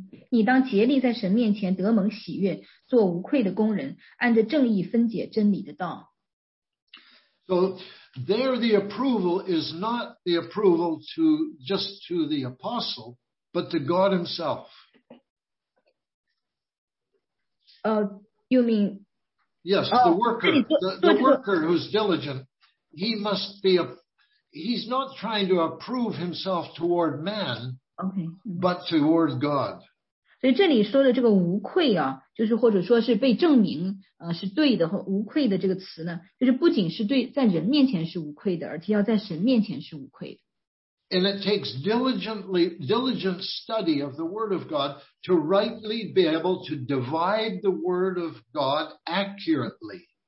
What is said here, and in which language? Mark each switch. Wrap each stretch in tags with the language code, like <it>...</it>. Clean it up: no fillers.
<zh>你当竭力在神面前得蒙喜悦，做无愧的工人，按着正义分解真理的道。</zh> <en>So there the approval is not the approval to just to the apostle, but to God himself. You mean? Yes, the worker, the worker who's diligent, he must be a, he's not trying to approve himself toward man, but toward God.</en> <zh>所以这里说的这个无愧啊，就是或者说是被证明是对的和无愧的这个词呢，就是不仅是对在人面前是无愧的，而且要在神面前是无愧的。</zh> <en>And it takes diligent study of the Word of God to rightly be able to divide the Word of God accurately.</en>